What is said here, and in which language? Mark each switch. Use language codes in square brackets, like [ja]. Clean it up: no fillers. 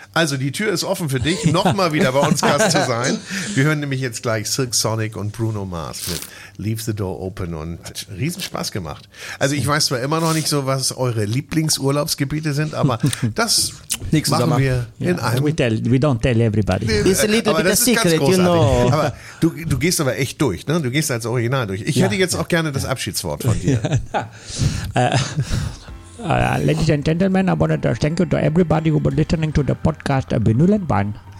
[de] Also die Tür ist offen für dich, nochmal wieder bei uns Gast zu sein. Wir hören nämlich jetzt gleich Silk Sonic und Bruno Mars mit Leave the Door Open und hat riesen Spaß gemacht. Also ich weiß zwar immer noch nicht so, was eure Lieblingsurlaubsgebiete sind, aber das machen Sommer. Wir in einem. [en] We don't tell everybody. It's a little bit a secret, you know. [de] Aber Du gehst aber echt durch, ne? Du gehst als Original durch. Ich hätte jetzt auch gerne das Abschiedswort von dir. [en] Ladies and gentlemen, I want to thank you to everybody who been listening to the podcast Vinyl and Wine.